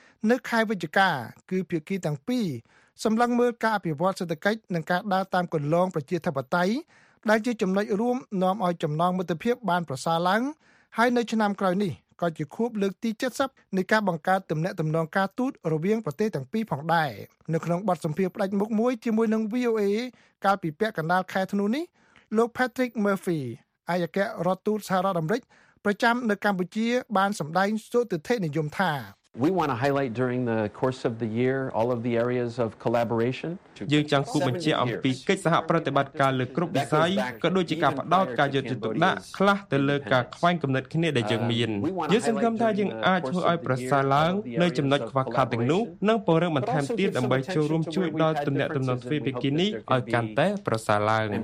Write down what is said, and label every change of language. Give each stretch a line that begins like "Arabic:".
Khmer: នៅខែវិច្ឆិកាគឺភាគីទាំងពីរសម្លឹងមើលការអភិវឌ្ឍសេដ្ឋកិច្ចនិងការដើរតាមគន្លងប្រជាធិបតេយ្យដែលជាចំណុចរួមនាំឲ្យចំណងមិត្តភាពបានប្រសើរឡើងហើយនៅឆ្នាំក្រោយនេះក៏ជាខួបលើកទី70នៃការបង្កើតទំនាក់ទំនងការទូតរវាងប្រទេសទាំងពីរផងដែរនៅក្នុងបទសម្ភាសន៍ផ្ដាច់មុខមួយជាមួយនឹង VOA កាលពីពាក់កណ្ដាលខែធ្នូនេះលោក Patrick Murphy អគ្គរដ្ឋទូតសហរដ្ឋអាមេរិកប្រចាំនៅកម្ពុជាបានសម្ដែងសុតិធិនិយមថា
English: We want to highlight during the course of the year all of the areas of collaboration.
Khmer: យើងចង់គូបញ្ជាក់អំពីកិច្ចសហប្រតិបត្តិការលើគ្រប់វិស័យក៏ដូចជាការផ្តោតការយកចិត្តទុកដាក់ខ្លះទៅលើការខ្វែងគំនិតគ្នាដែលយើងមានយើងសង្ឃឹមថាយើងអាចធ្វើឲ្យប្រសើរឡើងនៅចំណុចខ្វះខាតទាំងនោះនិងពង្រឹងបន្ថែមទៀតដើម្បីចូលរួមជួយដល់ទំនាក់ទំនងទ្វេភាគីនេះឲ្យកាន់តែប្រសើរឡើង